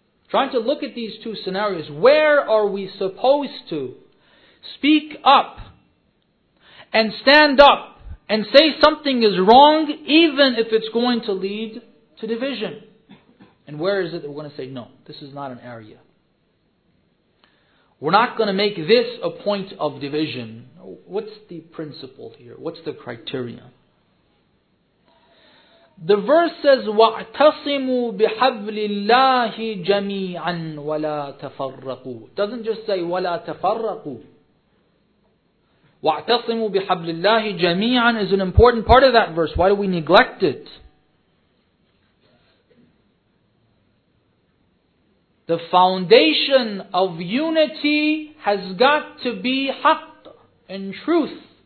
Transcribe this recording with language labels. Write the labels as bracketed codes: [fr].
[en] Trying to look at these two scenarios. Where are we supposed to speak up and stand up and say something is wrong even if it's going to lead to division? And where is it that we're going to say, no, this is not an area. We're not going to make this a point of division. What's the principle here? What's the criteria? The verse says, [ar] وَاعْتَصِمُوا بِحَبْلِ اللَّهِ جَمِيعًا وَلَا تَفَرَّقُوا. [en] It doesn't just say, [ar] وَلَا تَفَرَّقُوا. وَاعْتَصِمُوا بِحَبْلِ اللَّهِ جَمِيعًا [en] is an important part of that verse. Why do we neglect it? The foundation of unity has got to be haqq and truth.